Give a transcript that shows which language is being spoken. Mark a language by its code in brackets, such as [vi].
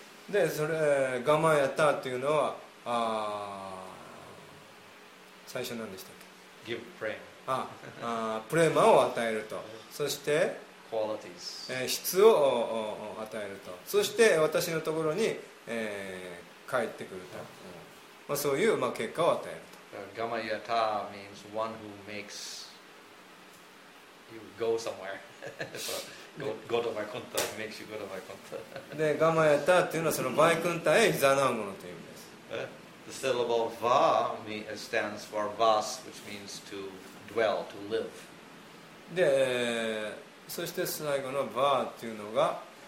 [ja] で、それ、gamayata というのは、最初何でしたっけ [en] Give prema. [ja] プレマを与えると。そして、 [en] Qualities. [ja] 質を与えると。そして、私のところに、帰ってくると。まあ、そういう、まあ、結果を与えると。 [en] ガマヤタ means one who makes you go somewhere. So, go to my kunta, makes you go to my kunta. [ja] で、ガマヤタというのは、そのバイクンタへいざなうものという意味です。 [en] The syllable va stands for vas, which means to dwell, to live. [ja] で、そして最後の va というのが、